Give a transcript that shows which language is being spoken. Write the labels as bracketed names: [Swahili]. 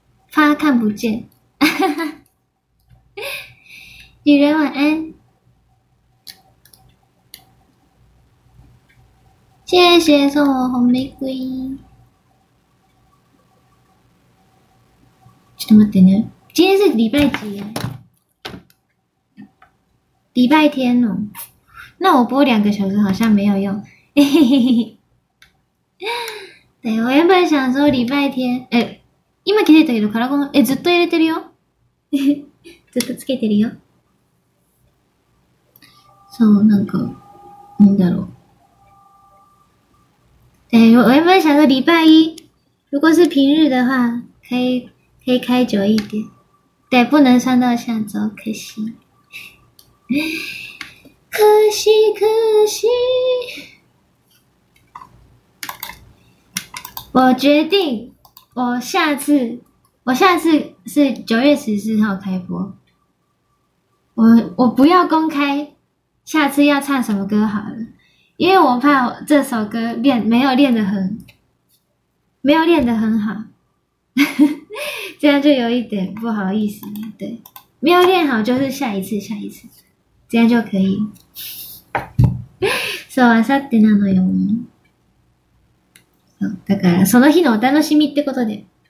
[Chinese] 他看不见，女人晚安，谢谢送我红玫瑰。 [Japanese] ちょっと待ってね。 [Chinese] 今天是礼拜几呀？礼拜天哦。那我播2个小时好像没有用。对，我原本想说礼拜天， [Japanese] 今気づいたけど、カラコン、ずっと入れてるよ。ずっとつけてるよ。そう、なんか、なんだろう。 [Chinese] 我原本想说礼拜一、如果是平日的话、可以开久一点。对、不能上到下周、可惜。可惜、可惜。我决定、我下次是9月14号开播，我不要公开下次要唱什么歌好了，因为我怕我这首歌没有练得很好，这样就有一点不好意思。对，没有练好就是下一次，这样就可以。 [Japanese] そう、あさってなのよ。だからその日のお楽しみってことで。